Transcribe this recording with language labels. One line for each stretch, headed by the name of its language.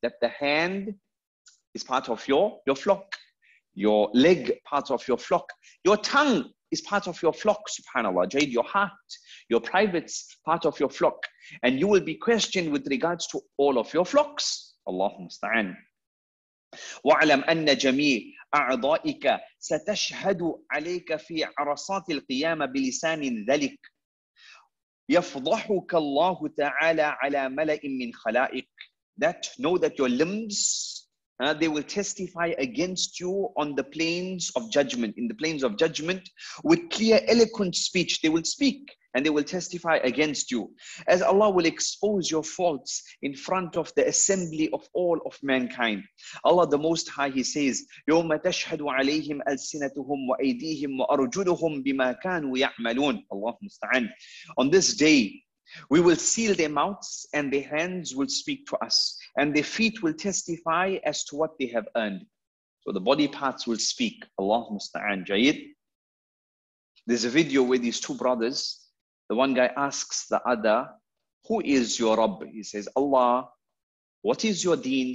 English: That the hand is part of your flock. Your leg, part of your flock. Your tongue is part of your flock, subhanAllah. Jayid. Your heart, your privates, part of your flock. And you will be questioned with regards to all of your flocks.
Arabic: اللهم استعان. وعلم أن جميع أعضائك ستشهد عليك في عرصات القيامة بلسان ذلك يفضحك الله تعالى على ملأ من خلائق.
English: That know that your limbs, they will testify against you on the plains of judgment. In the plains of judgment, with clear eloquent speech, they will speak. And they will testify against you. As Allah will expose your faults in front of the assembly of all of mankind. Allah the Most High, He says,
Arabic: يَوْمَ تَشْهَدُ عَلَيْهِمْ أَلْسِنَتُهُمْ وَأَيْدِيهِمْ وَأَرْجُلُهُمْ بِمَا كَانُوا يَعْمَلُونَ.
English: Allah musta'an. On this day, we will seal their mouths and their hands will speak to us. And their feet will testify as to what they have earned. So the body parts will speak. Allah musta'an. Jayid. There's a video where these two brothers, the one guy asks the other, who is your Rabb? He says, Allah. What is your deen?